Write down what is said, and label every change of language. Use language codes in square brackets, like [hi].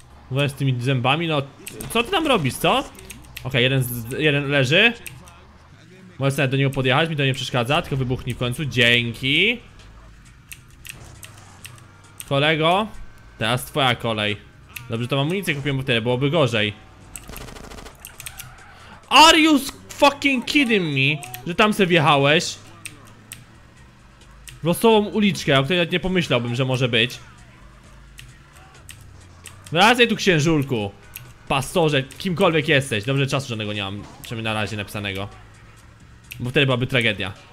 [pl] Mówię z tymi zębami, no. Co ty tam robisz, co? Okej, jeden leży. Możesz nawet do niego podjechać, mi to nie przeszkadza, tylko wybuchnij w końcu. Dzięki. Kolego, teraz twoja kolej. Dobrze, to amunicję kupiłem, bo tyle byłoby gorzej. [en] Are you fucking kidding me? [pl] Że tam sobie wjechałeś? W losową uliczkę, o której nawet nie pomyślałbym, że może być. Wracaj tu, księżulku. Pastorze, kimkolwiek jesteś. Dobrze, czasu żadnego nie mam, przynajmniej na razie napisanego. Bo wtedy byłaby tragedia.